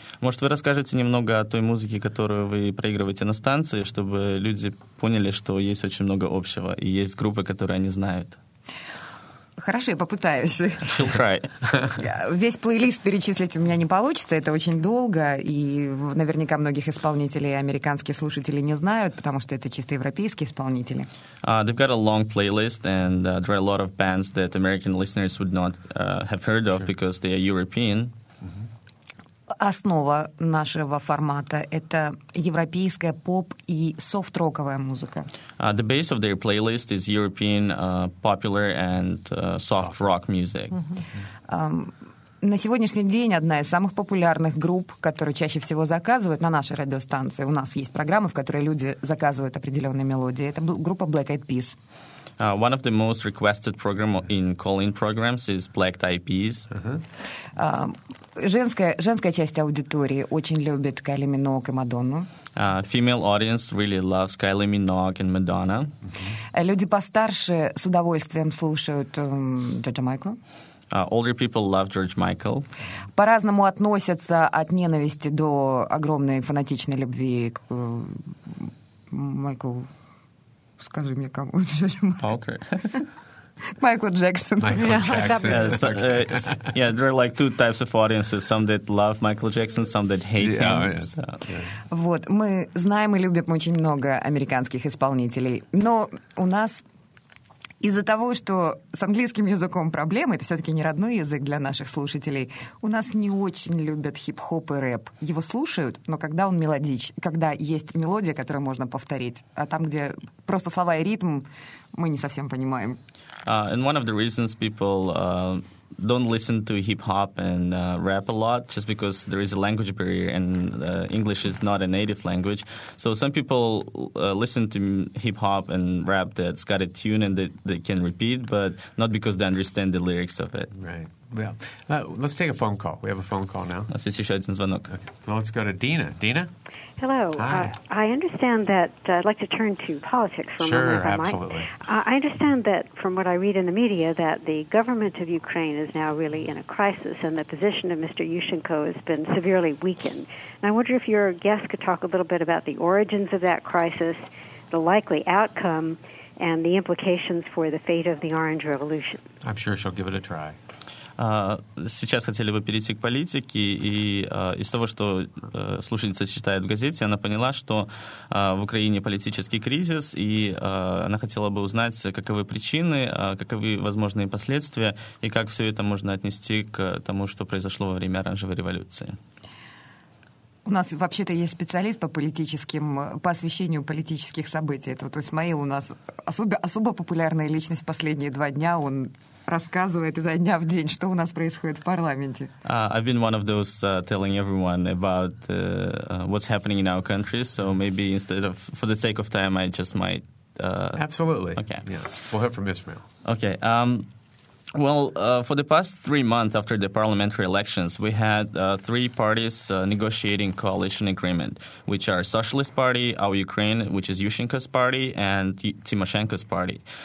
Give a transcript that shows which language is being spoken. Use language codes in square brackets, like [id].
[ru] Может, вы расскажете немного о той музыке, которую вы проигрываете на станции, чтобы люди поняли, что есть очень много общего и есть группы, которые они знают. Хорошо, я попытаюсь. [en] She'll try. [ru] Весь плейлист перечислить у меня не получится, это очень долго, и наверняка многих исполнителей американские слушатели не знают, потому что это чисто европейские исполнители. [en] They've got a long playlist, and there are a lot of bands that American listeners would not have heard of, sure, because they are European. Mm-hmm. [ru] Основа нашего формата — это европейская поп- и софт-роковая музыка. [en] The base of their playlist is European popular and soft rock music. Mm-hmm. [ru] На сегодняшний день одна из самых популярных групп, которую чаще всего заказывают на нашей радиостанции, у нас есть программы, в которой люди заказывают определенные мелодии, это группа Black Eyed Peas. [en] One of the most requested program in call-in programs is Black Eyed Peas. Uh-huh. [ru] Женская часть аудитории очень любит Кайли Минок и Мадонну. [en] Female audience really loves Kylie Minogue and Madonna. [ru] Люди постарше с удовольствием слушают Джорджа Майкла. [en] Older people love George Michael. [ru] По-разному относятся от ненависти до огромной фанатичной любви к Майклу. Скажи мне, кому Джордж Майкл. [en] Okay. [ru] Майкл Джексон. [en] Yeah, there are like two types of audiences. Some that love Michael Jackson, some that hate him. Yeah. [ru] Вот, мы знаем и любим очень много американских исполнителей. Но у нас из-за того, что с английским языком проблемы, это все-таки не родной язык для наших слушателей, у нас не очень любят хип-хоп и рэп. Его слушают, но когда он мелодичный, когда есть мелодия, которую можно повторить, а там, где просто слова и ритм, мы не совсем понимаем. [en] And one of the reasons people don't listen to hip-hop and rap a lot, just because there is a language barrier and English is not a native language. So some people listen to hip-hop and rap that's got a tune and that they can repeat, but not because they understand the lyrics of it. Right. Let's take a phone call. We have a phone call now. Okay. So let's go to Dina. Dina? Hello. Hi. I understand that I'd like to turn to politics for a moment. Sure, absolutely. I understand that from what I read in the media that the government of Ukraine is now really in a crisis and the position of Mr. Yushchenko has been severely weakened. And I wonder if your guest could talk a little bit about the origins of that crisis, the likely outcome, and the implications for the fate of the Orange Revolution. I'm sure she'll give it a try. [ru] Сейчас хотели бы перейти к политике, и из того, что слушательница читает в газете, она поняла, что в Украине политический кризис, и она хотела бы узнать, каковы причины, каковы возможные последствия, и как все это можно отнести к тому, что произошло во время Оранжевой революции. У нас вообще-то есть специалист по освещению политических событий. Это вот Исмаил у нас особо популярная личность последние два дня, он рассказывает изо дня в день, что у нас происходит в парламенте. [en] I've been one of those telling everyone about what's happening in our country, so maybe instead of, for the sake of time, I just might... Absolutely. Okay. Yeah. We'll hear from Ismail. Okay. Well, for the past 3 months after the parliamentary elections, we had three parties negotiating coalition agreement, which are Socialist Party, Our Ukraine, which is Yushchenko's party, and Tymoshenko's party.